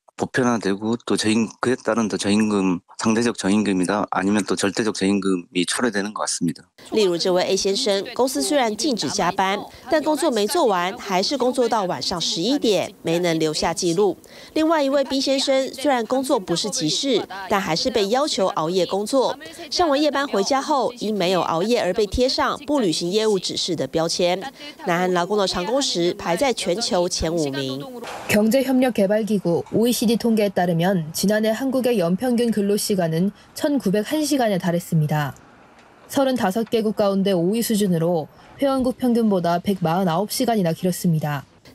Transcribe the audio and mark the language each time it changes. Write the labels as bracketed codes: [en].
[ko] 보편화되고 또 저임금에 따른 또 저임금 상대적 저임금이다 아니면 또 절대적 저임금이 철회되는 것 같습니다. [zh] 例如这位 A 先生，公司虽然禁止加班，但工作没做完，还是工作到晚上11点，没能留下记录。另外一位 B 先生虽然工作不是急事，但还是被要求熬夜工作。上完夜班回家后，因没有熬夜而被贴上不履行业务指示的标签。南韩劳工的长工时排在全球前5名。 [ko] 경제협력개발기구 OECD 통계에 따르면 지난해 한국의 연평균 근로시간은 1901시간에 달했습니다. 35개국 가운데 5위 수준으로 회원국 평균보다 149시간이나 길었습니다.